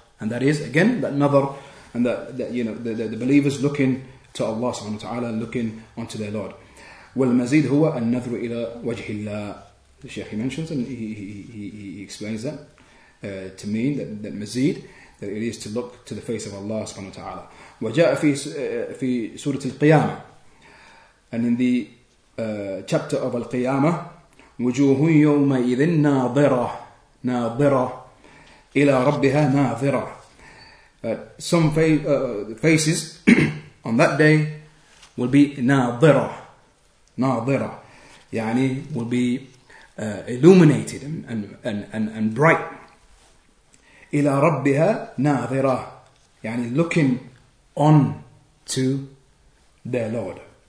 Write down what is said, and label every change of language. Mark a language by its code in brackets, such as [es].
[en] And that is, again, that nadhar. And the believers looking to Allah subhanahu wa ta'ala, looking onto their Lord. [ar] وَالْمَزِيدْ هُوَ النَّذْرُ إِلَىٰ وَجْهِ اللَّهِ. [en] The Shaykh, he mentions and he explains that to mean that mazid, that it is to look to the face of Allah subhanahu wa ta'ala. [ar] وَجَاءَ فِي سُورَةِ الْقِيَامَةِ, [en] and in the chapter of Al-Qiyamah, [ar] وَجُوهٌ يَوْمَئِذٍ نَاظِرَةٌ إِلَىٰ رَبِّهَا نَاظِرَةٌ. [en] Some faces on that day will be nadhira, will be illuminated and bright. [ar] Ila rabbiha nadhira, [en] looking on to their Lord.